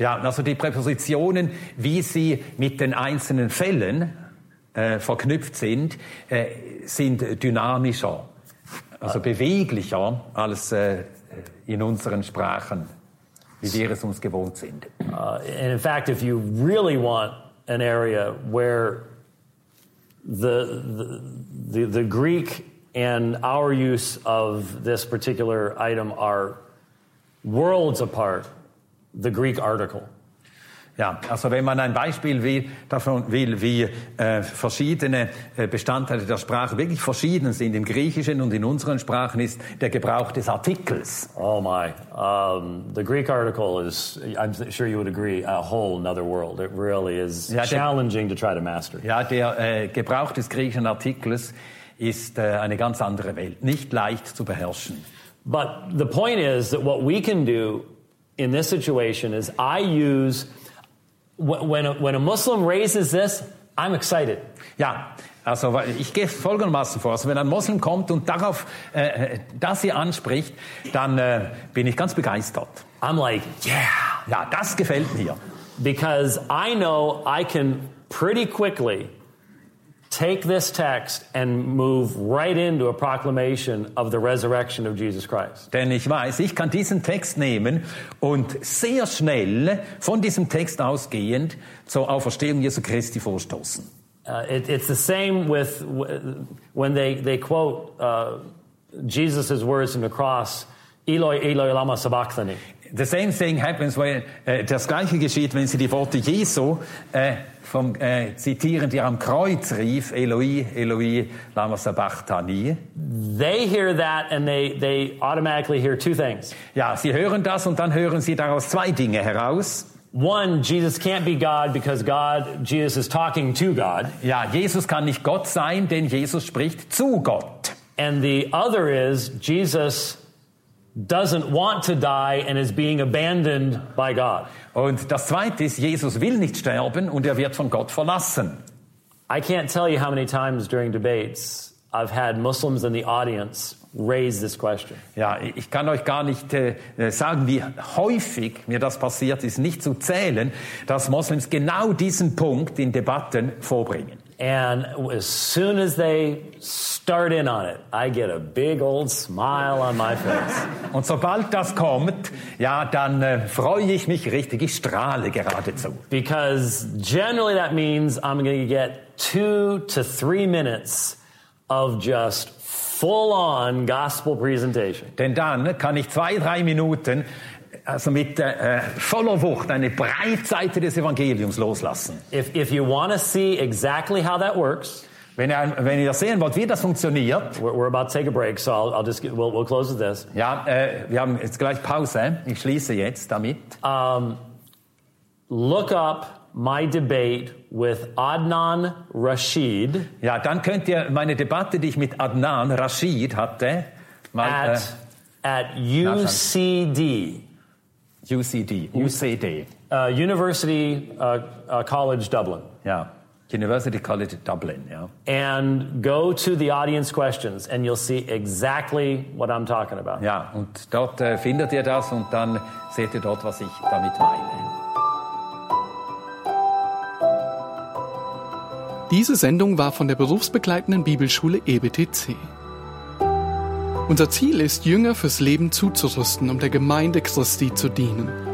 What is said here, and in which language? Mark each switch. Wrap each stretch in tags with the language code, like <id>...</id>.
<de>Ja, also die Präpositionen, wie sie mit den einzelnen Fällen verknüpft sind, sind dynamischer, also beweglicher als in unseren Sprachen, wie wir es uns gewohnt sind.</de> <en>And in fact, if you really want an area where the Greek and our use of this particular item are worlds apart, the Greek article.</en> <de>Ja, also wenn man ein Beispiel will, wie verschiedene Bestandteile der Sprache wirklich verschieden sind im Griechischen und in unseren Sprachen, ist der Gebrauch des Artikels.</de> <en>Oh my, the Greek article is, I'm sure you would agree, a whole another world. It really is challenging to try to master.</en> <de>Ja, der Gebrauch des griechischen Artikels ist eine ganz andere Welt, nicht leicht zu beherrschen.</de> <en>But the point is that what we can do in this situation is I use, when a Muslim raises this, I'm excited.</en> <de>Ja, also ich gehe folgendermaßen vor, also wenn ein Muslim kommt und darauf das hier anspricht, dann bin ich ganz begeistert.</de> <en>I'm like, yeah.</en> <de>Ja, das gefällt mir.</de> <en>Because I know I can pretty quickly take this text and move right into a proclamation of the resurrection of Jesus Christ.</en> <de>Denn ich weiß, ich kann diesen Text nehmen und sehr schnell von diesem Text ausgehend zur Auferstehung Jesu Christi vorstoßen.</de> <en>It's the same with when they quote Jesus' words in the cross, Eloi, Eloi, lama sabachthani. The same thing happens, when,</en> <de>das Gleiche geschieht, wenn sie die Worte Jesu vom zitieren, die am Kreuz rief, Eloi, Eloi, lama sabachthani.</de> <en>They hear that and they automatically hear two things.</en> <de>Ja, sie hören das und dann hören sie daraus zwei Dinge heraus.</de> <en>One, Jesus can't be God because God, Jesus is talking to God.</en> <de>Ja, Jesus kann nicht Gott sein, denn Jesus spricht zu Gott.</de> <en>And the other is, Jesus doesn't want to die and is being abandoned by God.</en> <de>Und das zweite ist, Jesus will nicht sterben und wird von Gott verlassen.</de> <en>I can't tell you how many times during debates I've had Muslims in the audience raise this question.</en> <de>Ja, ich kann euch gar nicht sagen, wie häufig mir das passiert ist, nicht zu zählen, dass Muslims genau diesen Punkt in Debatten vorbringen.</de> <en>And as soon as they start in on it, I get a big old smile on my face.</en> <de>Und sobald das kommt, ja, dann freue ich mich richtig, ich strahle geradezu.</de> <en>Because generally that means I'm going to get 2 to 3 minutes of just full-on gospel presentation.</en> <de>Denn dann kann ich 2-3 Minuten, also mit voller Wucht, eine Breitseite des Evangeliums loslassen.</de> <en>If you want to see exactly how that works,</en> <de>wenn ihr sehen wollt, wie das funktioniert,</de> <en>we're about to take a break, so we'll close with this.</en> <de>Ja, wir haben jetzt gleich Pause. Ich schließe jetzt damit.</de> <en>Look up my debate with Adnan Rashid.</en> <de>Ja, dann könnt ihr meine Debatte, die ich mit Adnan Rashid hatte, mal</de> <en>at UCD. UCD, UCD. University College Dublin. Yeah, University College Dublin, yeah. And go to the audience questions and you'll see exactly what I'm talking about.</en> <de>Ja, und dort findet ihr das und dann seht ihr dort, was ich damit meine. Diese Sendung war von der berufsbegleitenden Bibelschule EBTC. Unser Ziel ist, Jünger fürs Leben zuzurüsten, um der Gemeinde Christi zu dienen.</de>